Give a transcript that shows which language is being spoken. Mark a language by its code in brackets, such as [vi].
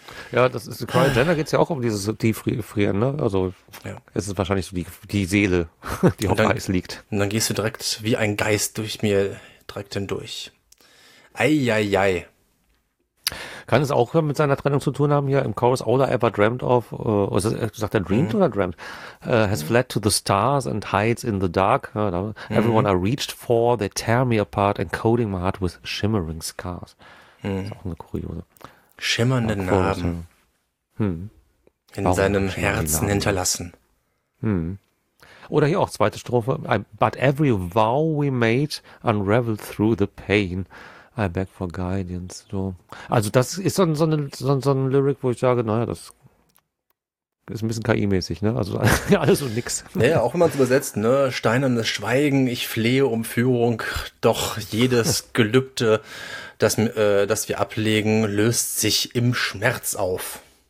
[de] Ja, das ist, Kyle Jenner geht es ja auch um dieses Tieffrieren, ne? Also, es ist wahrscheinlich so die Seele, die auf Eis liegt. Und dann gehst du direkt wie ein Geist durch mir direkt hindurch. Eieiei. Kann es auch mit seiner Trennung zu tun haben hier im Chorus? [en] All I ever dreamt of, [de] sagt er dreamed oder dreamt? [en] Has fled to the stars and hides in the dark. Everyone I reached for, they tear me apart, encoding my heart with shimmering scars. [de] Das ist auch eine kuriose. Schimmernde Narben. In auch seinem Herzen hinterlassen. Oder hier auch zweite Strophe. [en] But every vow we made unraveled through the pain. I beg for guidance. So. [de] Also das ist so ein Lyric, wo ich sage, naja, das ist ein bisschen KI-mäßig, ne? Also alles und nix. Naja, auch wenn man es übersetzt, ne? Steinernes Schweigen, ich flehe um Führung, doch jedes Gelübde, das wir ablegen, löst sich im Schmerz auf.